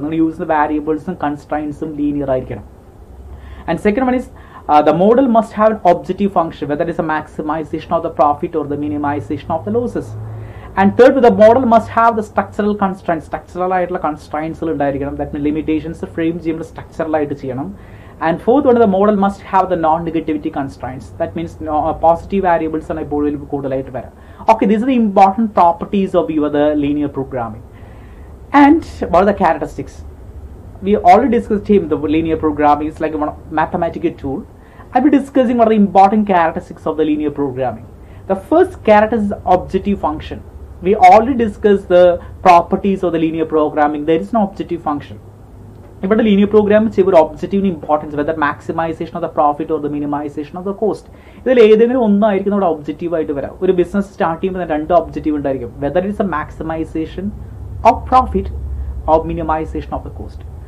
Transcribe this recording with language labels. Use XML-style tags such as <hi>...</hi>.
<ml>നിങ്ങൾ യൂസ് ചെയ്യുന്ന വേരിയബിൾസും കൺസ്ട്രൈൻസും ലീനിയർ ആയിരിക്കണം.</ml> <en>And second one is the model must have an objective function, whether is a maximization of the profit or the minimization of the losses. And third, the model must have the structural constraints.</en> <ml>Structural ആയിട്ടുള്ള കൺസ്ട്രൈൻസുകൾ ഉണ്ടായിരിക്കണം. That mean limitations frame ചെയ്യുമ്പോൾ സ്ട്രക്ചറലായിട്ട് ചെയ്യണം.</ml> <en>And fourth one, the model must have the non-negativity constraints. That means positive variables are not able to be coded. Okay, these are the important properties of your the linear programming. And what are the characteristics? We already discussed him, the linear programming is like a mathematical tool. I'll be discussing what are the important characteristics of the linear programming. The first character is objective function. We already discussed the properties of the linear programming. There is no objective function.</en> <ml>ഇവിടെ linear program ചെയ്യുമ്പോൾ ഒബ്ജക്റ്റീവിന് importance,</ml> <en>Whether maximization of the profit or the minimization of the cost.</en> <ml>ഇതിൽ ഏതെങ്കിലും ഒന്നായിരിക്കും നമ്മുടെ objective ആയിട്ട് വരാം. ഒരു business start ചെയ്യുമ്പോൾ തന്നെ രണ്ട് ഒബ്ജക്റ്റീവ് ഉണ്ടായിരിക്കും,</ml> <en>Whether it's a maximization of profit of minimization of the cost.</en>